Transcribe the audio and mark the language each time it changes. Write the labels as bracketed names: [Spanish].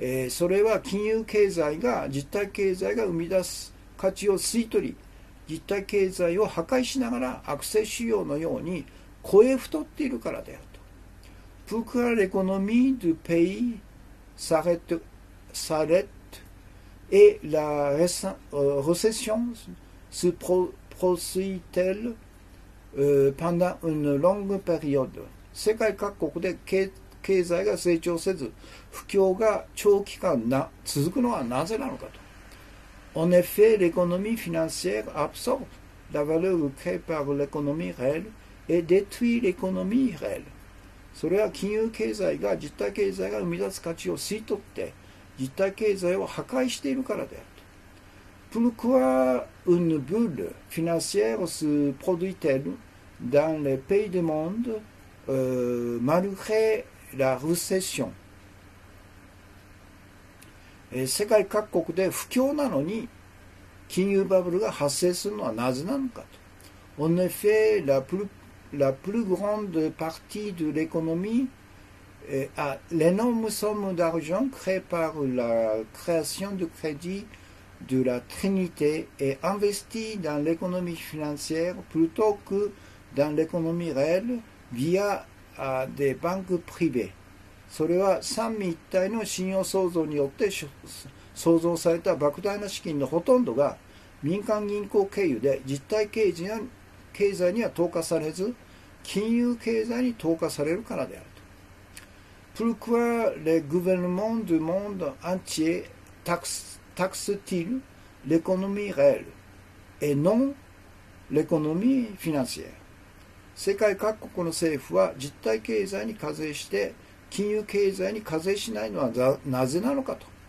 [Japanese] それは金融経済が実体経済が生み出す価値を吸い取り実体経済を破壊しながら悪性腫瘍のように声太っているからであると。 [French] Pourquoi l'économie du pays s'arrête et la récession se poursuit-elle pendant une longue période? [Japanese] 世界各国で経済が成長せず不況が長期間な続くのはなぜなのかと。 [French] En effet, l'économie financière absorbe la valeur créée par l'économie réelle et détruit l'économie réelle. [Japanese] それは金融経済が実体経済が生み出す価値を吸い取って実体経済を破壊しているからであると。 [French] Pourquoi une bulle financière se produit-elle dans les pays du monde、malgré la récession? [Japanese] 世界各国で不況なのに金融バブルが発生するのはなぜなのかと。 [French] En effet, la plus grande partie de l'économie a l'énorme somme d'argent créée par la création du crédit de la Trinité est investie dans l'économie financière plutôt que dans l'économie réelle via des banques privées. [Japanese] それは三位一体の信用創造によって創造された莫大な資金のほとんどが民間銀行経由で実体経済には投下されず金融経済に投下されるからであると。 [French] Pourquoi les gouvernements du monde entier taxent-ils l'économie réelle et non l'économie financière? [Japanese] 世界各国の政府は実体経済に課税して金融経済に課税しないのはなぜなのかと。